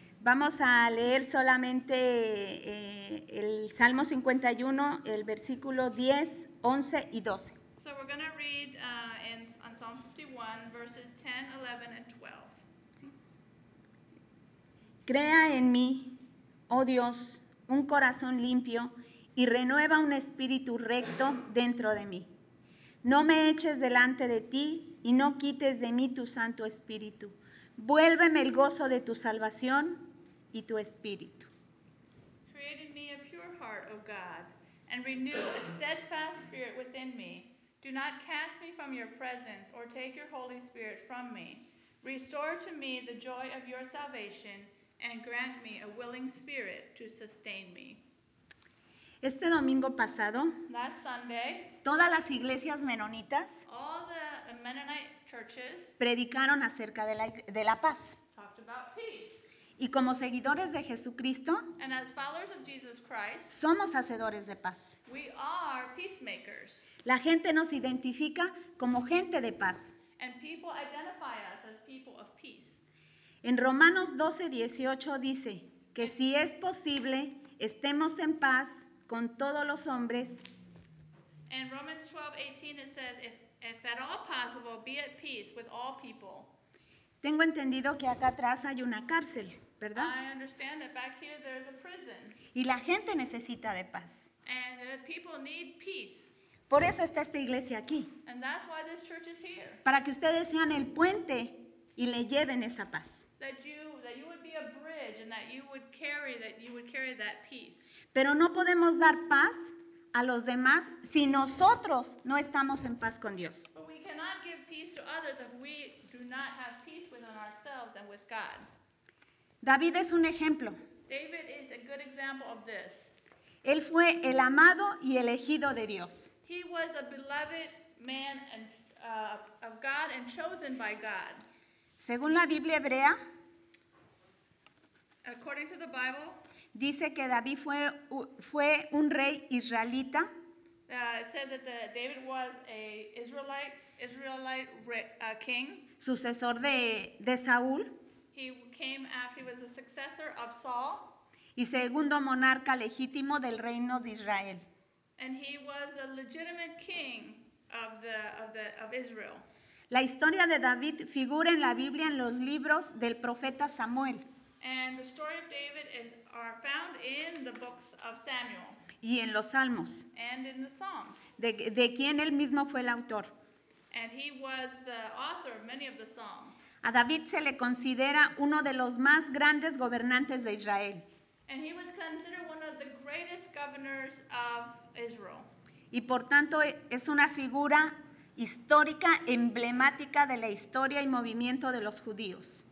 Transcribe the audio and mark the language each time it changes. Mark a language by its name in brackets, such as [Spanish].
[Spanish] Vamos a leer solamente el Salmo 51, el versículo 10, 11 y 12. [English] So we're going to read on Psalm 51, verses 10, 11, and 12. [Spanish] Crea en mí, oh Dios, un corazón limpio y renueva un espíritu recto dentro de mí. No me eches delante de ti y no quites de mí tu santo espíritu. Vuélveme el gozo de tu salvación y tu espíritu. [English] Create in me a pure heart, oh God, and renew a steadfast spirit within me. Do not cast me from your presence or take your Holy Spirit from me. Restore to me the joy of your salvation. And grant me a willing spirit to sustain me. [Spanish] Este domingo pasado, [English] last Sunday, [Spanish] todas las iglesias menonitas, [English] all the Mennonite churches [Spanish] predicaron acerca de la paz. [English] Talked about peace. [Spanish] Y como seguidores de Jesucristo, [English] and as followers of Jesus Christ, [Spanish] somos hacedores de paz. [English] We are peacemakers. [Spanish] La gente nos identifica como gente de paz. [English] And people identify us as people of peace. [Spanish] En Romanos 12:18 dice que si es posible, estemos en paz con todos los hombres. [English] In Romans 12:18 it says, if at all possible, be at peace with all people. [Spanish] Tengo entendido que acá atrás hay una cárcel, ¿verdad? [English] I understand that back here there's a prison. [Spanish] Y la gente necesita de paz. [English] And the people need peace. [Spanish] Por eso está esta iglesia aquí. [English] And that's why this church is here. [Spanish] Para que ustedes sean el puente y le lleven esa paz. [English] That you would be a bridge and that you would carry that peace. [Spanish] Pero no podemos dar paz a los demás si nosotros no estamos en paz con Dios. [English] But we cannot give peace to others if we do not have peace within ourselves and with God. [Spanish] David es un ejemplo. [English] David is a good example of this. [Spanish] Él fue el amado y elegido de Dios. [English] He was a beloved man and, of God and chosen by God. [Spanish] Según la Biblia hebrea, [English] according to the Bible, [Spanish] dice que David fue un rey israelita. [English] It said that David was an Israelite king. [Spanish] Sucesor de Saúl. [English] He came after, he was the successor of Saul. [Spanish] Y segundo monarca legítimo del reino de Israel. [English] And he was a legitimate king of Israel. [Spanish] La historia de David figura en la Biblia en los libros del profeta Samuel. [English] And the story of David are found in the books of Samuel. [Spanish] Y en los Salmos. [English] And in the Psalms. [Spanish] De quien él mismo fue el autor. [English] And he was the author of many of the Psalms. [Spanish] A David se le considera uno de los más grandes gobernantes de Israel. [English] And he was considered one of the greatest governors of Israel. [Spanish] Y por tanto es una figura histórica emblemática de la historia y movimiento de los judíos.